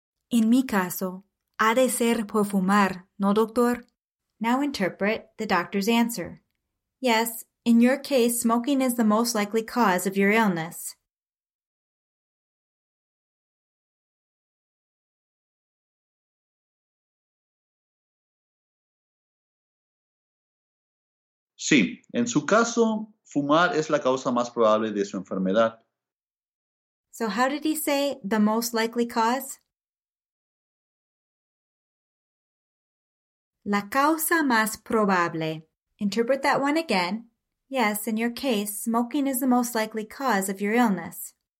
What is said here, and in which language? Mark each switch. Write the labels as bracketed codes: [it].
[es] En mi caso, ha de ser por fumar, ¿no, doctor? [en] Now interpret the doctor's answer. Yes, in your case, smoking is the most likely cause of your illness. [es] Sí, en su caso, fumar es la causa más probable de su enfermedad. [en] So how did he say the most likely cause? [es] La causa más probable. [en] Interpret that one again. Yes, in your case, smoking is the most likely cause of your illness.